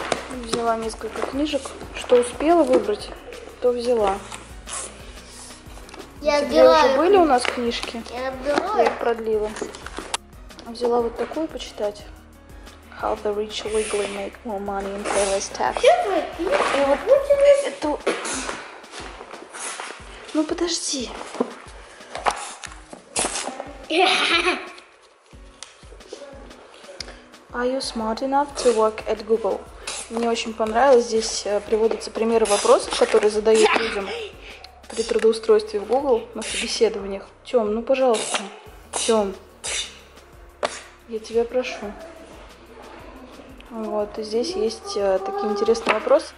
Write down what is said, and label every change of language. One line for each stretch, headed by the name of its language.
Russian: Взяла несколько книжек. Что успела выбрать, то взяла. Я взяла. Уже были у нас книжки? Я их продлила. Взяла вот такую почитать.
English: How the rich wiggly make more money and pay less tax.
Russian: И вот эту... Ну подожди.
English: Are you smart enough to work at Google?
Russian: Мне очень понравилось. Здесь приводятся примеры вопросов, которые задают людям при трудоустройстве в Google на собеседованиях. Тём, ну пожалуйста. Тём. Я тебя прошу. Вот, и здесь есть такие интересные вопросы.